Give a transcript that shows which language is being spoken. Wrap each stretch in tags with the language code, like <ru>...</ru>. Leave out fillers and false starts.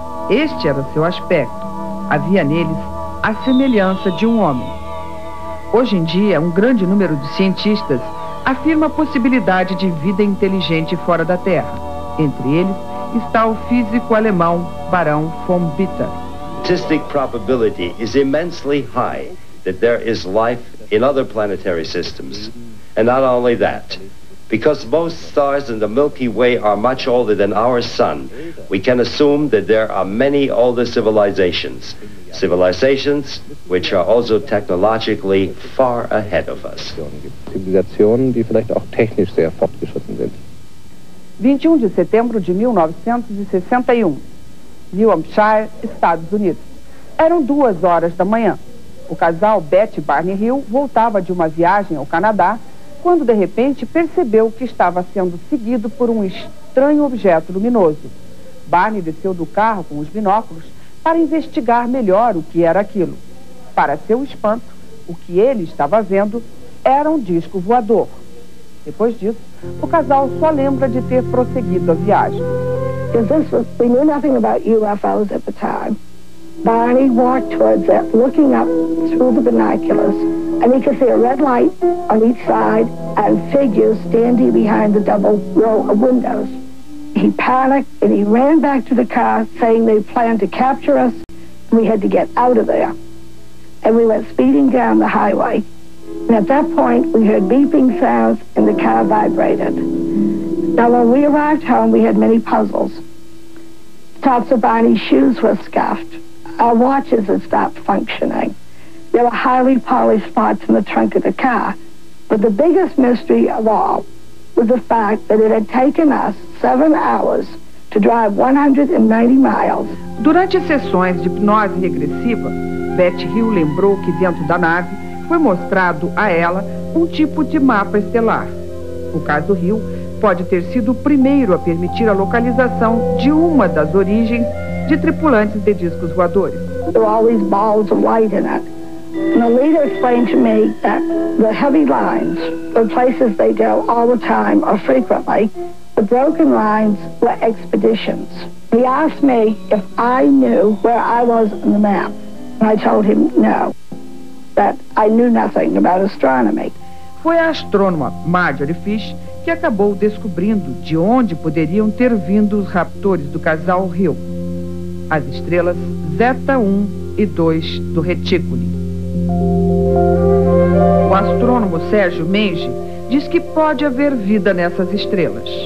<pt>Este era o seu aspecto. Havia neles a semelhança de um homem. Hoje em dia, um grande número de cientistas afirma a possibilidade de vida inteligente fora da Terra. Entre eles está o físico alemão Barão von Bitter.</pt> <en>Statistic probability is immensely high that there is life in other planetary systems. And not only that, because most stars in the Milky Way are much older than our sun, we can assume that there are many older civilizations. civilizations which are also technologically far ahead of us.</en> <de>Zivilizationen, die vielleicht auch technisch sehr fortgeschritten sind.</de> <pt>21 de setembro de 1961, New Hampshire, Estados Unidos. Eram 2 horas da manhã. O casal Betty Barney Hill voltava de uma viagem ao Canadá quando, de repente, percebeu que estava sendo seguido por um estranho objeto luminoso. Barney desceu do carro com os binóculos para investigar melhor o que era aquilo. Para seu espanto, o que ele estava vendo era um disco voador. Depois disso, o casal só lembra de ter prosseguido a viagem.</pt> <en>We knew nothing about UFOs at the time. Barney walked towards it, looking up through the binoculars, and he could see a red light on each side and figures standing behind the double row of windows. He panicked and he ran back to the car, saying they planned to capture us, and we had to get out of there. And we went speeding down the highway. And at that point, we heard beeping sounds and the car vibrated. Now, when we arrived home, we had many puzzles. The tops of Barney's shoes were scuffed. Our watches had stopped functioning. There were highly polished spots in the trunk of the car. But the biggest mystery of all was the fact that it had taken us 7 hours to drive 190 miles.</en> <pt>Durante sessões de hipnose regressiva, Betty Hill lembrou que dentro da nave foi mostrado a ela um tipo de mapa estelar. O caso Hill pode ter sido o primeiro a permitir a localização de uma das origens de tripulantes de discos voadores.</pt> <en>There were all these balls of light in it. And the leader explained to me that the heavy lines, the places they go all the time or frequently, the broken lines were expeditions. He asked me if I knew where I was on the map. And I told him no, that I knew nothing about astronomy.</en> <pt>Foi a astrônoma Marjorie Fish que acabou descobrindo de onde poderiam ter vindo os raptores do casal Hill. As estrelas Zeta 1 e 2 do retículo. O astrônomo Sérgio Menge diz que pode haver vida nessas estrelas.</pt>